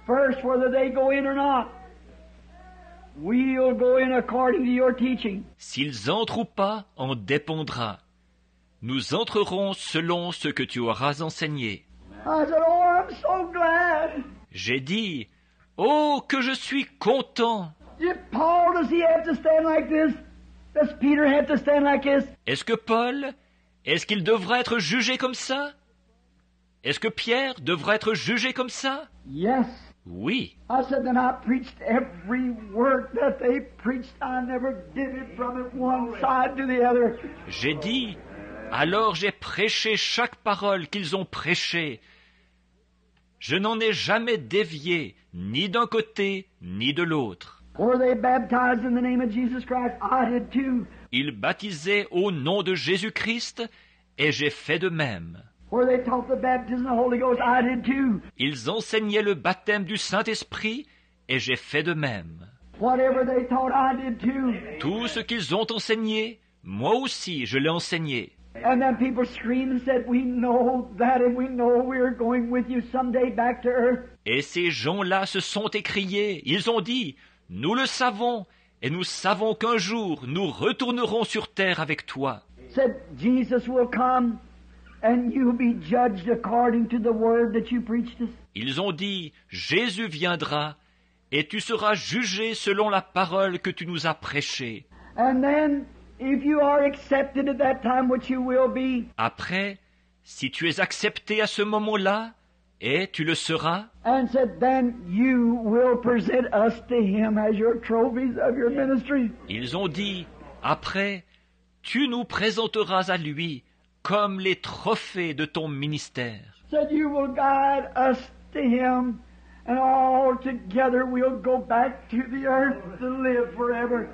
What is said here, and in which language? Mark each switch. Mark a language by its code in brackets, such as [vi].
[en] First, whether they go in or not, we'll go in according to your teaching. [fr] S'ils entrent ou pas, en dépendra. Nous entrerons selon ce que tu auras enseigné. [en] Amen. I said, oh, I'm so glad. [fr] J'ai dit, oh, que je suis content. [en] Did Paul, does he have to stand like this? Does Peter have to stand like this? [fr] Est-ce que Paul, est-ce qu'il devrait être jugé comme ça? Est-ce que Pierre devrait être jugé comme ça? [en] Yes. [fr] Oui. [en] I said, then I preached every word that they preached. I never did it from one side to the other. [fr] J'ai dit, alors j'ai prêché chaque parole qu'ils ont prêchée. Je n'en ai jamais dévié, ni d'un côté, ni de l'autre. [en] Were they baptized in the name of Jesus Christ? I did too. [fr] Ils baptisaient au nom de Jésus-Christ, et j'ai fait de même. [en] Were they taught the baptism of the Holy Ghost? I did too. [fr] Ils enseignaient le baptême du Saint-Esprit, et j'ai fait de même. [en] Whatever they taught, I did too. [fr] Tout ce qu'ils ont enseigné, moi aussi, je l'ai enseigné. [en] And then people screamed and said, we know that and we know we're going with you someday back to earth. [fr] Et ces gens-là se sont écriés. Ils ont dit, nous le savons et nous savons qu'un jour nous retournerons sur terre avec toi. [en] Said, Jesus will come and you'll be judged according to the word that you preached us. [fr] Ils ont dit, Jésus viendra et tu seras jugé selon la parole que tu nous as prêchée. [en] And then, if you are accepted at that time, which you will be. [fr] Après, si tu es accepté à ce moment-là, et tu le seras. [en] And said, then you will present us to him as your trophies of your ministry. [fr] Ils ont dit, après, tu nous présenteras à lui comme les trophées de ton ministère. [en] Said, you will guide us to him. And all together we'll go back to the earth to live forever.